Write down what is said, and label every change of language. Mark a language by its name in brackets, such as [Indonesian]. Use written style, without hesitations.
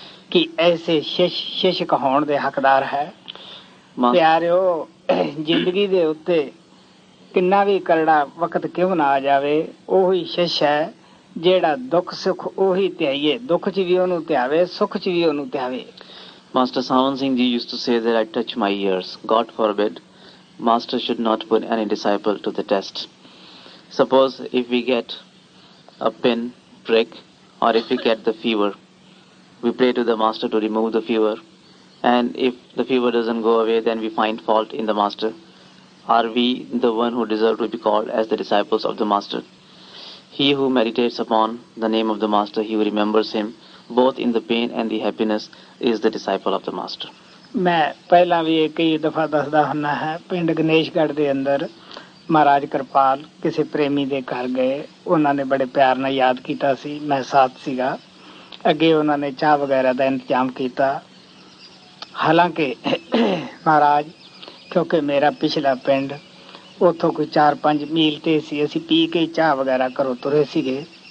[Punjabi] ਕਿ ਐਸੇ ਸ਼ਿਸ਼ਕ ਹੋਣ ਦੇ ਹੱਕਦਾਰ ਹੈ। ਪਿਆਰਿਓ, ਜ਼ਿੰਦਗੀ ਦੇ ਉੱਤੇ ਕਿੰਨਾ ਵੀ ਕਰੜਾ ਵਕਤ ਕਿਉਂ ਨਾ ਆ ਜਾਵੇ, ਉਹੀ ਸ਼ਿਸ਼ ਹੈ ਜਿਹੜਾ ਦੁੱਖ ਸੁੱਖ ਉਹੀ ਧਿਆਈਏ, ਦੁੱਖ 'ਚ ਵੀ ਉਹਨੂੰ ਧਿਆਵੇ, ਸੁੱਖ 'ਚ ਵੀ ਉਹਨੂੰ ਧਿਆਵੇ। [English] Master Sawan Singh ji used to say that I touch my ears. God forbid, Master should not put any disciple to the test. Suppose if we get a pin prick or if we get the fever, we pray to the Master to remove the fever, and if the fever doesn't go away, then we find fault in the Master. Are we the one who deserve to be called as the disciples of the Master? He who meditates upon the name of the Master, he remembers him both in the pain and the happiness, is the disciple of the Master. [Punjabi] ਮੈਂ ਪਹਿਲਾਂ ਵੀ ਇਹ ਕਈ ਦਫ਼ਾ ਦੱਸਦਾ ਹੁੰਦਾ ਹਾਂ, ਪਿੰਡ ਗਣੇਸ਼ਗੜ੍ਹ ਦੇ ਅੰਦਰ ਮਹਾਰਾਜ ਕਿਰਪਾਲ ਕਿਸੇ ਪ੍ਰੇਮੀ ਦੇ ਘਰ ਗਏ। ਉਹਨਾਂ ਨੇ ਬੜੇ ਪਿਆਰ ਨਾਲ ਯਾਦ ਕੀਤਾ ਸੀ, ਮੈਂ ਸਾਥ ਸੀਗਾ। ਅੱਗੇ ਉਹਨਾਂ ਨੇ ਚਾਹ ਵਗੈਰਾ ਦਾ ਇੰਤਜ਼ਾਮ ਕੀਤਾ। ਹਾਲਾਂਕਿ ਮਹਾਰਾਜ, ਕਿਉਂਕਿ ਮੇਰਾ ਪਿਛਲਾ ਪਿੰਡ ਉੱਥੋਂ ਕੋਈ 4-5 ਮੀਲ 'ਤੇ ਸੀ, ਅਸੀਂ ਪੀ ਕੇ ਚਾਹ ਵਗੈਰਾ ਘਰੋਂ ਤੁਰੇ ਸੀਗੇ।